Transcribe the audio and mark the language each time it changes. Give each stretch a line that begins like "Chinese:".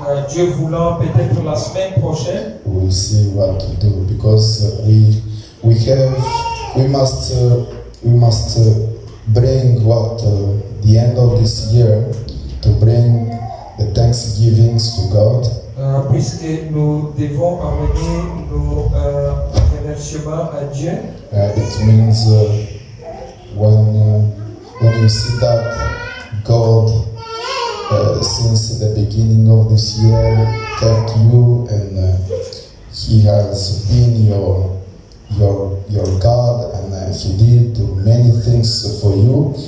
French: Dieu voulant, peut-être la semaine prochaine.
English: We'll see what to do because we must bring what the end of this year to bring the thanksgivings to God.
French: Puisque nous devons amener nos remerciements à Dieu.
English: It means when you see that God since the beginning of this year kept you and He has been your God and He did do many things for you.